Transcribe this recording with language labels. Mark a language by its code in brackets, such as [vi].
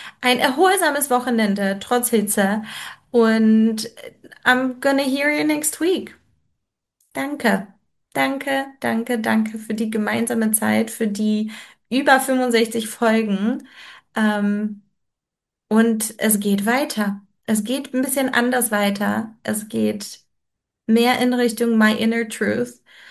[de] Ein erholsames Wochenende, trotz Hitze. Und [en] I'm gonna hear you next week. [de] Danke. Danke, danke, danke für die gemeinsame Zeit, für die über 65 Folgen. Und es geht weiter. Es geht ein bisschen anders weiter. Es geht mehr in Richtung My Inner Truth.